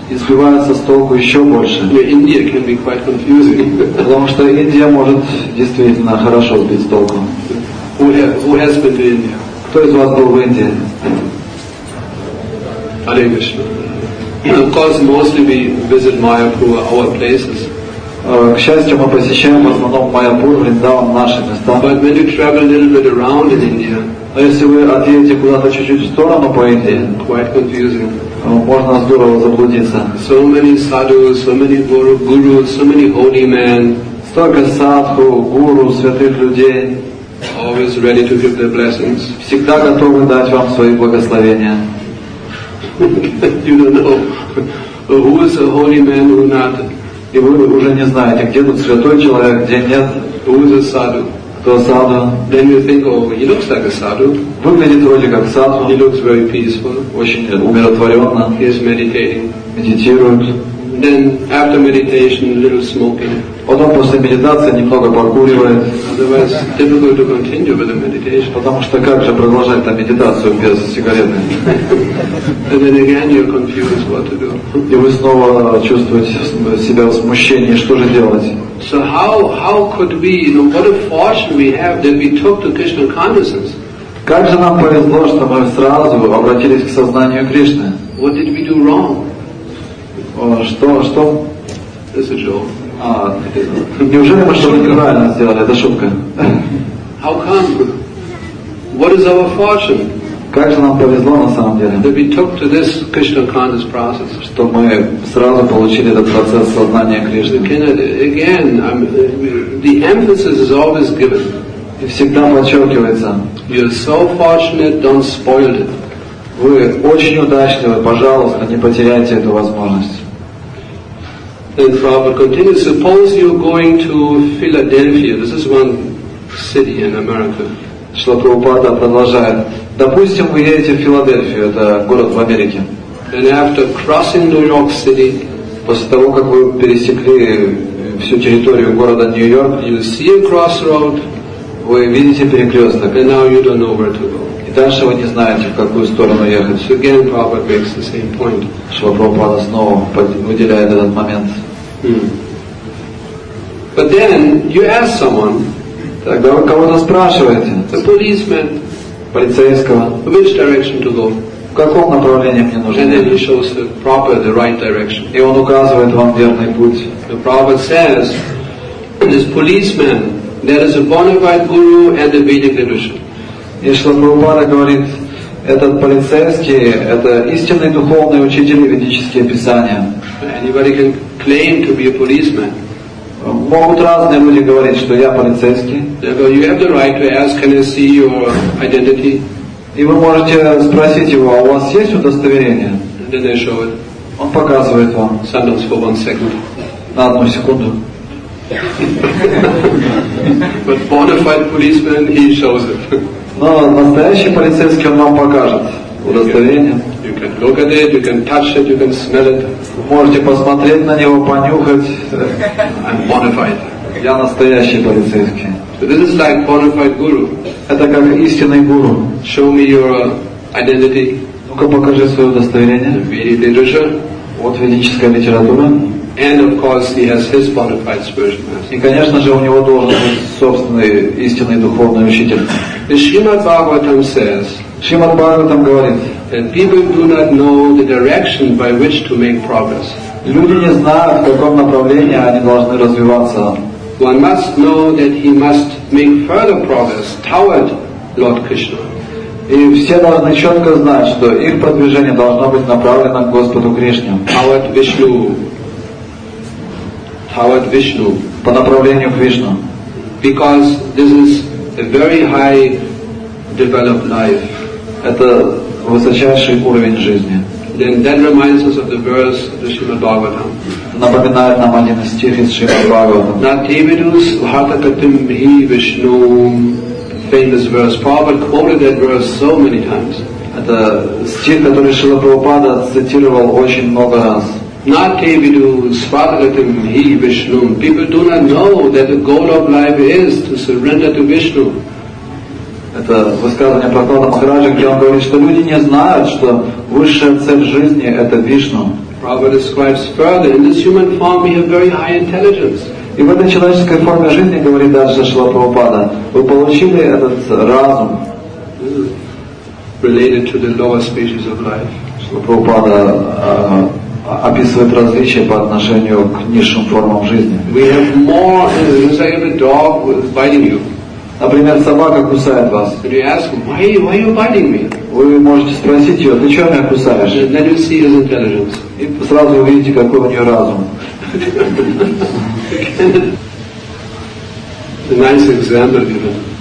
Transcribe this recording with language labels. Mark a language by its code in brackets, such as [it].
[ru] И сбиваются с толку еще больше. [en] Yeah, India can be quite confusing. [ru] Потому что Индия может действительно хорошо сбить с толку. [en] Who has been to India? [ru] Кто из вас был в Индии? [en] Hare Krishna. Of course, mostly we visit Mayapur, our places. [ru] К счастью, мы посещаем в основном Майяпур, Вриндаван, наши места. [en] But when you travel a little bit around in India, [ru] а если вы отъедете куда-то чуть-чуть в сторону по Индии, [en] quite confusing. [ru] Можно здорово заблудиться. [en] So many sadhus, so many gurus, so many holy men. [ru] Столько садху, гуру, святых людей. [en] Always ready to give their blessings. [ru] Всегда готовы дать вам свои благословения. [en] You don't know who is a holy man or not. [ru] И вы уже не знаете, где тут святой человек, где нет. [en] Who is a sadhu? [ru] Кто садху? [en] Then you think, he looks like a sadhu. [ru] Выглядит вроде как садху. [en] He looks very peaceful. [ru] Очень умиротворенно. [en] He is meditating. [ru] Медитирует. [en] Then after meditation, a little smoking. [ru] Потом после медитации немного покуривает. [en] Otherwise, difficult to continue with the meditation. [ru] Потому что как же продолжать там медитацию без сигареты? [en] And then again you're confused what to do. [ru] И вы снова чувствуете себя в смущении, что же делать? [en] So how could we, what a fortune we have that we took to Krishna consciousness? [ru] Как же нам повезло, что мы сразу обратились к сознанию Кришны? [en] What did we do wrong? [ru] Что? [en] It's a joke. [ru] Неужели мы что-то неправильно сделали? Это шутка. [en] How come? What is our fortune? [ru] Как же нам повезло на самом деле? [en] That we took to this Krishna conscious process. [ru] Что мы сразу получили этот процесс сознания Кришны. [en] Again, the emphasis is always given. [ru] И всегда подчеркивается. [en] You're so fortunate, don't spoil it. [ru] Вы очень удачливы, пожалуйста, не потеряйте эту возможность. [en] And Prabhupada continues, suppose you're going to Philadelphia. This is one city in America. [ru] Шрила Прабхупада продолжает. Допустим, вы едете в Филадельфию, это город в Америке. [en] Then after crossing New York City, [ru] после того, как вы пересекли всю территорию города Нью-Йорк, [en] you see a crossroad, [ru] вы видите перекресток. [en] And now you don't know where to go. [ru] И дальше вы не знаете, в какую сторону ехать. [en] So again, Prabhupada makes the same point. [ru] Шрила Прабхупада снова выделяет этот момент. [en] But then you ask someone. [ru] Тогда вы кого-то спрашиваете. [en] The policeman. [ru] Полицейского. [en] Which direction to go? [ru] В каком направлении мне нужно? [en] And then he shows the proper, the right direction. [ru] И он указывает вам верный путь. [en] The Prabhupada says, this policeman, there is a bona fide guru and a Vedic tradition. [ru] И Шрила Прабхупада говорит, этот полицейский – это истинный духовный учитель и ведические писания. [en] Anybody can claim to be a policeman. [ru] Могут разные люди говорить, что я полицейский. [en] You have the right to ask, can I see your identity? [ru] И вы можете спросить его, а у вас есть удостоверение? [en] Then they show it. [ru] Он показывает вам. [en] Sometimes for one second. [ru] На одну секунду. [en] But bona fide policeman, he shows it. [ru] Но настоящий полицейский, он вам покажет удостоверение. [en] You can look at it, you can touch it, you can smell it. [ru] Вы можете посмотреть на него, понюхать. [en] I'm bona fide. [ru] Я настоящий полицейский. [en] So this is like bona fide guru. [ru] Это как истинный гуру. [en] Show me your identity. [ru] Ну-ка покажи свое удостоверение. [en] The Vedic literature. [ru] Вот ведическая литература. [en] And of course he has his bona fide spiritual master. [ru] И конечно же у него должен быть собственный истинный духовный учитель. [en] Shrimad Bhagavatam says. [ru] Shrimad Bhagavatam говорит. [en] That people do not know the direction by which to make progress. [ru] Люди не знают, в каком направлении они должны развиваться. [en] One must know that he must make further progress toward Lord Krishna. [ru] И все должны четко знать, что их продвижение должно быть направлено к Господу Кришне. [en] Toward Vishnu. Toward Vishnu. [ru] По направлению к Вишну. [en] Because this is a very high developed life. [ru] Это высочайший уровень жизни. [en] Then that reminds us of the verse of the Srimad Bhagavatam. [ru] Напоминает нам один из стихов из Шримад Бхагаватам. [sa] На тивидус лхатакатим хи вишну. [en] Famous verse. Prabhupada quoted that verse so many times. [ru] Это стих, который Шрила Прабхупада цитировал очень много раз. [sa] На тивидус лхатакатим хи вишну. [en] People do not know that the goal of life is to surrender to Vishnu. [ru] Это высказывание Прохлада Махараджа, где он говорит, что люди не знают, что высшая цель жизни – это Вишну. [en] Prabhupada describes further, in this human form we have very high intelligence. [ru] И в этой человеческой форме жизни, говорит дальше Шрила Прабхупада, вы получили этот разум. [en] Related to the lower species of life. [ru] Шрила Прабхупада описывает различия по отношению к низшим формам жизни. [en] We have more, it's like a dog biting you. [ru] Например, собака кусает вас. [en] You ask, why are you biting me? [ru] Вы можете спросить ее, ты чего меня кусаешь? [en] Then you see his intelligence. [ru] И сразу увидите, какой у нее разум. [en] It's a nice example, you know.